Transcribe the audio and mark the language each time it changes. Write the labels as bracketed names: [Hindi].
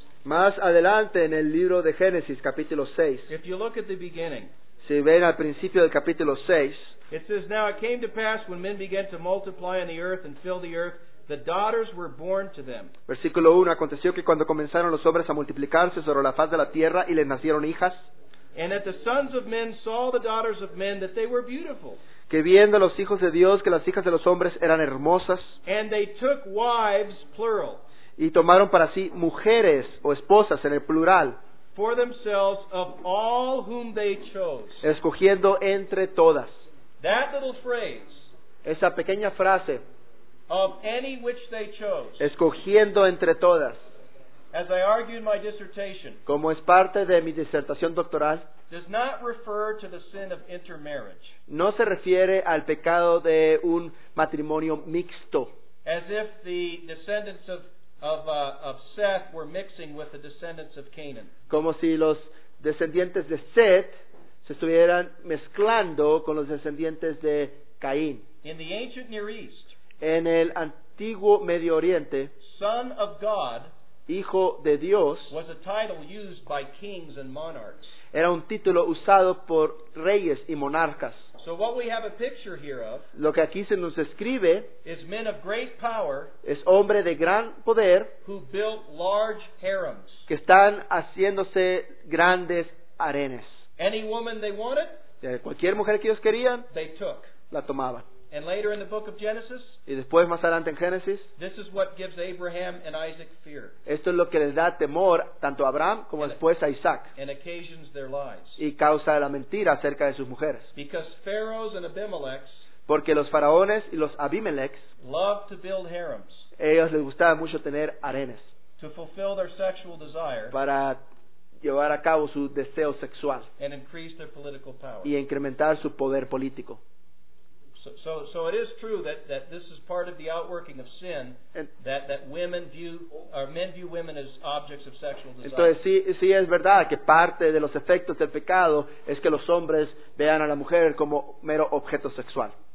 [Spanish] Más adelante en el libro de Génesis, capítulo 6. [English] If you look at the beginning. [Spanish] Si ven al principio del capítulo 6. [English] It says, now it came to pass when men began to multiply on the earth and fill the earth, the daughters were born to them. [Spanish] Versículo 1, aconteció que cuando comenzaron los hombres a multiplicarse sobre la faz de la tierra y les nacieron hijas. [English] And that the sons of men saw the daughters of men that they were beautiful. [Spanish] Que viendo los hijos de Dios que las hijas de los hombres eran hermosas. [English] And they took wives, plural. [Spanish] Y tomaron para sí mujeres o esposas en el plural. [English] For themselves of all whom they chose. [Spanish] Escogiendo entre todas. [English] That little phrase, [Spanish] esa pequeña frase, [English] of any which they chose, [Spanish] escogiendo entre todas, [English] as I argue in my dissertation, [Spanish] como es parte de mi disertación doctoral, [English] does not refer to the sin of intermarriage, [Spanish] no se refiere al pecado de un matrimonio mixto, [English] as if the descendants of Seth were mixing with the descendants of Canaan, [Spanish] como si los descendientes de Seth se estuvieran mezclando con los descendientes de Caín. [English] In the ancient Near East, [Spanish] en el antiguo Medio Oriente, [English] son of God, [Spanish] hijo de Dios, [English] was a title used by kings and monarchs. [Spanish] Era un título usado por reyes y monarcas. [English] So what we have a picture here of, [Spanish] lo que aquí se nos describe, [English] is men of great power, [Spanish] es hombre de gran poder, [English] who built large harems, [Spanish] que están haciéndose grandes arenes. [English] Any woman they wanted, [Spanish] cualquier mujer que ellos querían, [English] they took, [Spanish] la tomaban. [English] And later in the book of Genesis, [Spanish] y después más adelante en Génesis, [English] this is what gives Abraham and Isaac fear. [Spanish] Esto es lo que les da temor tanto a Abraham como después a Isaac. [English] And occasions their lies. [Spanish] Y causa la mentira acerca de sus mujeres. [English] Because pharaohs and Abimelechs, [Spanish] porque los faraones y los Abimelechs, [English] love to build harems. [Spanish] Ellos les gustaba mucho tener arenes. [English] To fulfill their sexual desire. [Spanish] Para llevar a cabo su deseo sexual. [English] And increase their political power. [Spanish] Y incrementar su poder político. [English] So it is true that this is part of the outworking of sin, that women view, or men view women as objects of sexual desire. [Spanish] Entonces sí es verdad que parte de los efectos del pecado es que los hombres vean a la mujer como mero objeto sexual.